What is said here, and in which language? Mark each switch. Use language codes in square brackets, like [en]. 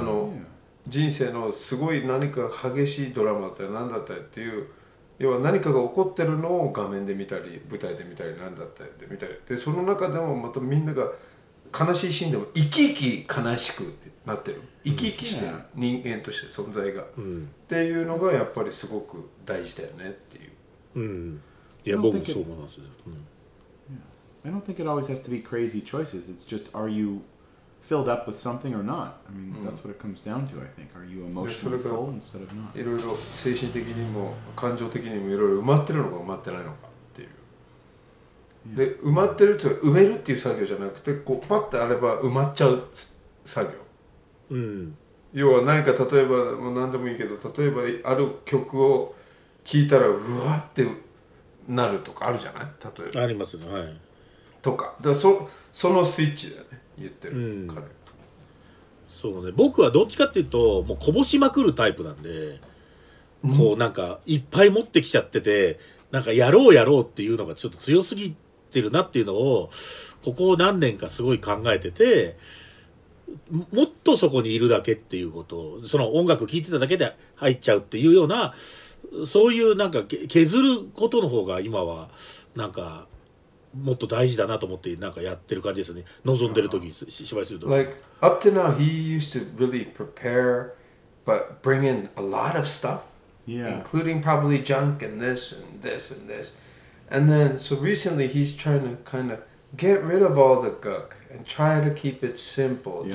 [ja] あの人生のすごい何か激しいドラマだったり何だったりっていう、要は何かが起こってるのを画面で見たり舞台で見たり何だったりで見たりで、その中でもまたみんなが悲しいシーンでも生き生き悲しくなってる、生き生きしてる人間として存在が、うん、っていうのがやっぱりすごく大事だよねっていう、うん、いや僕もそう思いますね、うん、 [en] yeah. I don't think it always has to be crazy choices. It's just, are you filled up with something or not? I mean, that's what it comes down to, I think. Are you emotionally full instead of not? [ja] いろいろ精神的にも感情的にもいろいろ埋まってるのか埋まってないのかっていう、で埋まってるっていうか埋めるっていう作業じゃなくて、こうパッてあれば埋まっちゃう作業、うん、要は何か例えば、まあ、何でもいいけど、例えばある曲を聴いたらうわってなるとかあるじゃない、例えばありますね、はい、とかだから そのスイッチだよね、言ってる、うん、彼、そうね、僕はどっちかっていうともうこぼしまくるタイプなんで、うん、こうなんかいっぱい持ってきちゃってて、なんかやろうやろうっていうのがちょっと強すぎてるなっていうのをここ何年かすごい考えてて、もっとそこにいるだけっていうこと、その音楽聴いてただけで入っちゃうっていうような、そういうなんか削ることの方が今はなんかもっと大事だなと思って、なんかやってる感じですね、望んでる時に芝居すると。 [en] Like up to now he used to really prepare but bring in a lot of stuff Yeah. Including probably junk and this and this and this. And then, so recently he's trying to kind of get rid of all the gook and try to keep it simple, yeah.